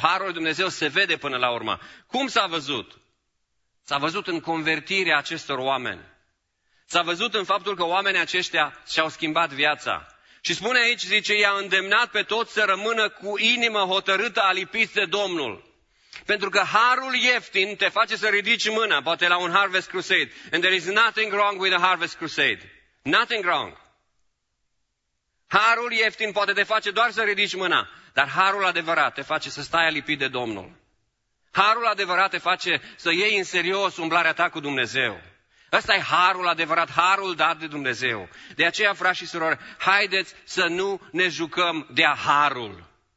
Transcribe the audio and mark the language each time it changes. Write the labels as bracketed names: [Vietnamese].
[Romanian] Harul lui Dumnezeu se vede până la urmă. Cum s-a văzut? S-a văzut în convertirea acestor oameni. S-a văzut în faptul că oamenii aceștia și-au schimbat viața. Și spune aici, zice, i-a îndemnat pe toți să rămână cu inimă hotărâtă alipiți de Domnul. Pentru că harul ieftin te face să ridici mâna, poate la un Harvest Crusade. [English] And there is nothing wrong with a Harvest Crusade. Nothing wrong. [Romanian] Harul ieftin poate te face doar să ridici mâna, dar harul adevărat te face să stai alipit de Domnul. Harul adevărat te face să iei în serios umblarea ta cu Dumnezeu. Ăsta e harul adevărat, harul dat de Dumnezeu. De aceea, frați și surori, haideți să nu ne jucăm de-a harul.